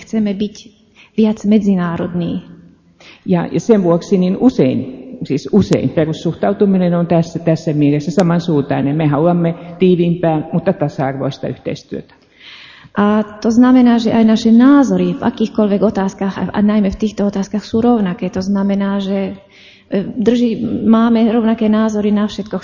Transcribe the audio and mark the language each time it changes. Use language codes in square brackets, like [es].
[sk] Chceme byť viac medzinárodní. [fi] Ja sen vuoksi niin usein perussuhtautuminen on tässä mielessä samansuuntainen. Me haluamme tiiviimpää, mutta tasa-arvoista yhteistyötä. [sk] A to znamená, že aj naše názory v akýchkoľvek otázkach, a najmä v týchto otázkach, sú rovnaké. To znamená, že máme rovnaké názory na všetko.